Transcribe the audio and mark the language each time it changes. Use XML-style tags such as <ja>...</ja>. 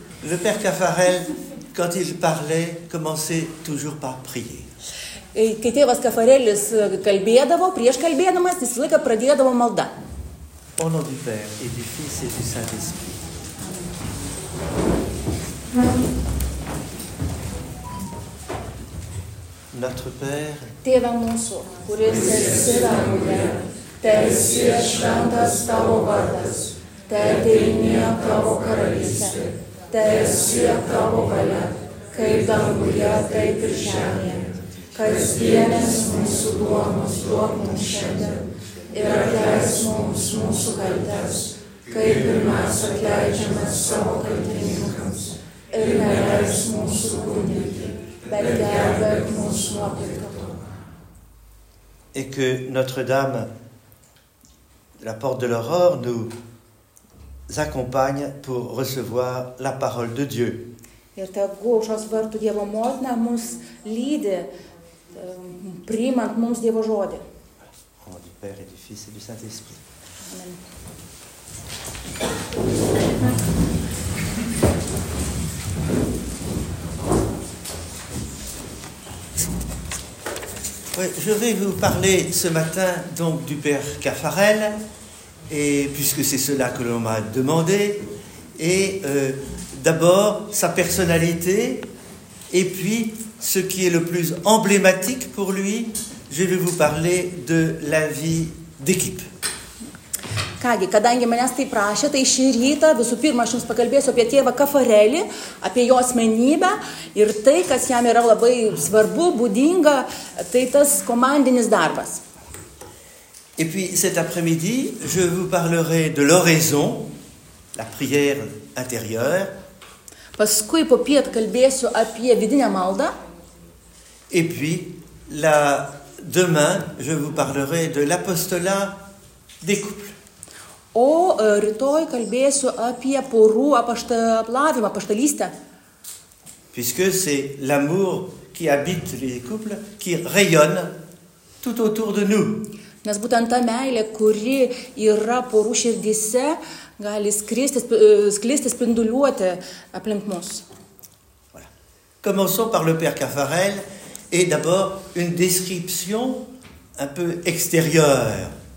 <fr>Le père Kaffer, quand il parlait, commençait toujours par prier.</fr> <lt>Kai tėvas Kaffer'elis kalbėdavo, prieš kalbėdamas, jis visą laiką pradėdavo maldą.</lt> <fr>Au nom du Père et du Fils et du Saint-Esprit. Mm-hmm. Notre Père,</fr> <lt>Tėve mūsų, kuris esi danguje, teesie šventas tavo vardas, teateinie tavo karalystė, teesie tavo valia, kaip danguje, taip ir žemėje. Kasdienės mūsų duonos duok mums šiandien ir atleis mums mūsų kaltes, kaip ir mes atleidžiame savo kaltininkams ir neleis mūsų gundyti.</lt> <fr>Et que Notre-Dame, la porte de l'aurore, nous accompagne pour recevoir la parole de Dieu.</fr> <lt>Ir tegu šios vartų Dievo motina mus lydi, priimant mums Dievo žodį.</lt> <fr>Au nom du Père et du Fils et du Saint-Esprit. Oui, je vais vous parler ce matin donc du père Caffarel, et puisque c'est cela que l'on m'a demandé, et d'abord sa personnalité, et puis ce qui est le plus emblématique pour lui, je vais vous parler de la vie d'équipe.</fr> <lt>Kągi, kadangi manęs tai prašė, tai šį rytą visų pirma aš jums pakalbėsiu apie tėvą Caffarelį, apie jo asmenybę ir tai, kas jam yra labai svarbu, būdinga, tai tas komandinis darbas.</lt> <fr>Et puis cet après-midi, je vous parlerai de l'oraison, la prière intérieure.</fr> <lt>Paskui po piet kalbėsiu apie vidinę maldą.</lt> <fr>Et puis la demain, je vous parlerai de l'apostolat des couples.</fr> <lt>O rytoj kalbėsiu apie porų apaštalavimą, apaštalystę.</lt> <fr>Puisque c'est l'amour qui habite les couples, qui rayonne tout autour de nous.</fr> <lt>Nes būtent ta meilė, kuri yra porų širdyse, gali sklisti, spinduliuoti aplink mus.</lt> <fr>Voilà. Commençons par le père Caffarel et d'abord une description un peu extérieure.</fr>